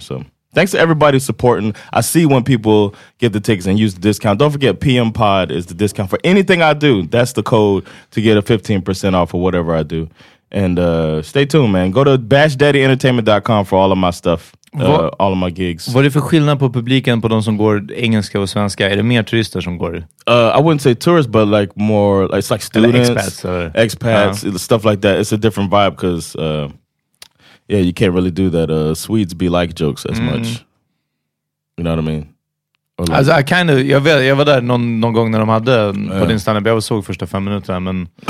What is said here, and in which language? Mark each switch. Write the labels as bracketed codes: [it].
[en] So thanks to everybody supporting. I see when people get the tickets and use the discount. Don't forget, PM Pod is the discount for anything I do. That's the code to get a 15% off of whatever I do. And stay tuned, man. Go to bashdaddyentertainment.com for all of my stuff, all of my gigs. [sv] Vad är det för skillnad på publiken på de som går engelska och svenska? Är det mer turister som går? [en] I wouldn't say tourists, but like more, like, it's like students. [sv] Eller expats. Eller? [en] Expats, yeah. Stuff like that. It's a different vibe because, yeah, you can't really do that. Swedes be like jokes as much. You know what I mean? [sv] Like, alltså, [en] I kind of, [sv] jag var där någon gång när de hade på din stand-up. Jag såg första 5 minuter, men...